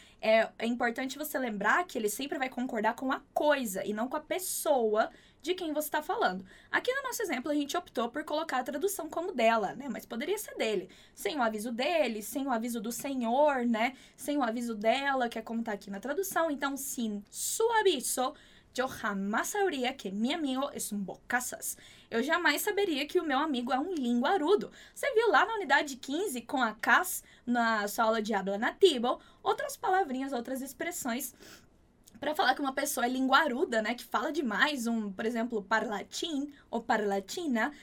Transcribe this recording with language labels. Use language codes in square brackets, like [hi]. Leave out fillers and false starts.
[pt] É importante você lembrar que ele sempre vai concordar com a coisa e não com a pessoa de quem você está falando. Aqui no nosso exemplo, a gente optou por colocar a tradução como dela, né? Mas poderia ser dele. Sem o aviso dele, sem o aviso do senhor, né? Sem o aviso dela, que é como está aqui na tradução. [es] Então, sin su aviso, yo jamás sabría que mi amigo es un bocazas. [pt] Eu jamais saberia que o meu amigo é um linguarudo. Você viu lá na unidade 15, com a Cass, na sua aula de habla nativo, outras palavrinhas, outras expressões para falar que uma pessoa é linguaruda, né? Que fala demais, por exemplo, parlatin ou parlatina.